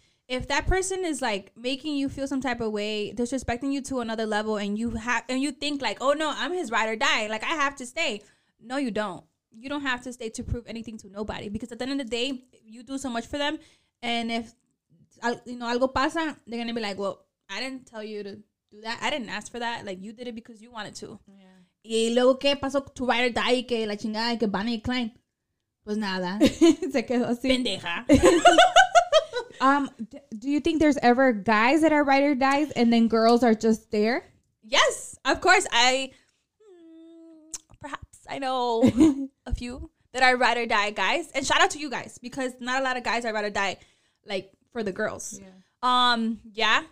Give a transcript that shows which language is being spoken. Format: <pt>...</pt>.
<en>If that person is like making you feel some type of way, disrespecting you to another level, and you think like, oh no, I'm his ride or die, like I have to stay. No, you don't. You don't have to stay to prove anything to nobody, because at the end of the day, you do so much for them. And if, you know,</en> <es>algo pasa,</es> <en>they're going to be like, well, I didn't tell you to do that. I didn't ask for that. Like, you did it because you wanted to.</en> <es>Yeah. Y luego que pasó tu</es> <en>ride or die,</en> <es>que la chingada, que van a decline. Pues nada. Se quedó así. Pendeja.</es> <en>Do you think there's ever guys that are ride or dies and then girls are just there? Yes, of course. Perhaps I know a few that are ride or die guys. And shout out to you guys, because not a lot of guys are ride or die, like, for the girls. Yeah.</en>